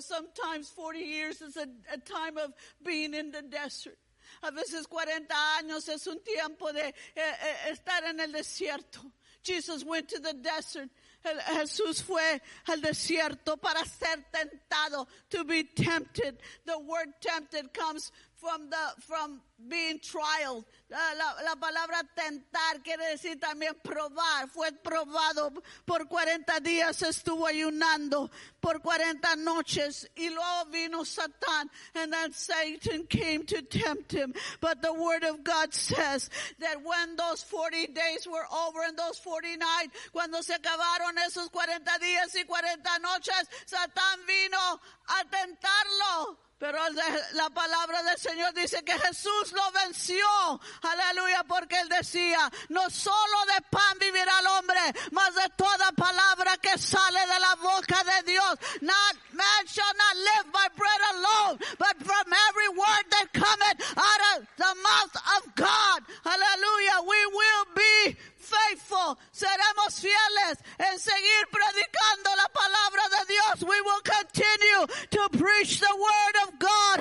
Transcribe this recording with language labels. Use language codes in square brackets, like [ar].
[en] Sometimes 40 years is a time of being in the desert. [es] A veces 40 años es un tiempo de estar en el desierto. [en] Jesus went to the desert. [es] Jesús fue al desierto para ser tentado, [en] to be tempted. The word tempted comes from being trialed. [es] La palabra tentar quiere decir también probar. Fue probado por 40 días, estuvo ayunando por 40 noches, y luego vino Satán, [en] and then Satan came to tempt him. But the word of God says that when those 40 days were over and those 40 nights, [es] cuando se acabaron esos 40 días y 40 noches, Satán vino a tentarlo. Pero la palabra del Señor dice que Jesús lo venció, aleluya, porque él decía, no solo de pan vivirá el hombre, mas de toda palabra que sale de la boca de Dios. [en] Not man shall not live by bread alone, but from every word that cometh out of the mouth of God. [es] Aleluya, [en] we will be faithful. [es] Seremos fieles en seguir predicando la palabra de Dios. [en] We will continue to preach the word of God.